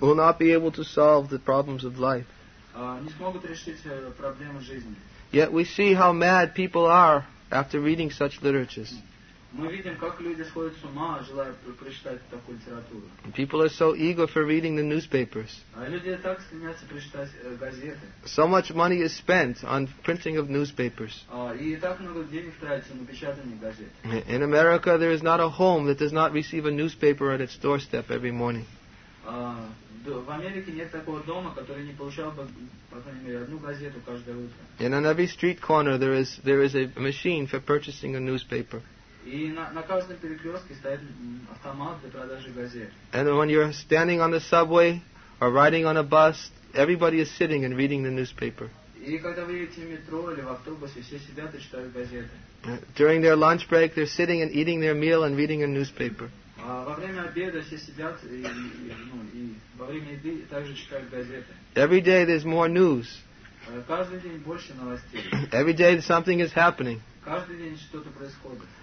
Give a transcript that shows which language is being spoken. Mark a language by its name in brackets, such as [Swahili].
[English] Will not be able to solve the problems of life. [Russian] Не смогут решить проблемы жизни. [English] Yet we see how mad people are after reading such literatures. [Russian] Мы видим, как люди сходят с ума, желая прочитать такую литературу. [English] People are so eager for reading the newspapers. [Russian] Люди так стремятся прочитать газеты. [English] So much money is spent on printing of newspapers. [Russian] И так много денег тратится на печатание газет. [English] In America, there is not a home that does not receive a newspaper at its doorstep every morning. [Russian] В Америке нет такого дома, который не получал бы, по крайней мере, одну газету каждое утро. [English] And on every street corner, there is a machine for purchasing a newspaper. [Russian] И на каждом перекрестке стоит автомат для продажи газет. [English] And when you're standing on the subway or riding on a bus, everybody is sitting and reading the newspaper. [Russian] И когда вы едете в метро или в автобусе, все сидят и читают газеты. [English] During their lunch break, they're sitting and eating their meal and reading a newspaper. [Russian] Во время обеда все сидят и во время еды также читают газеты. [English] Every day there's more news. [Russian] Каждый день больше новостей. [English] Every day something is happening. [Russian] Каждый день что-то происходит.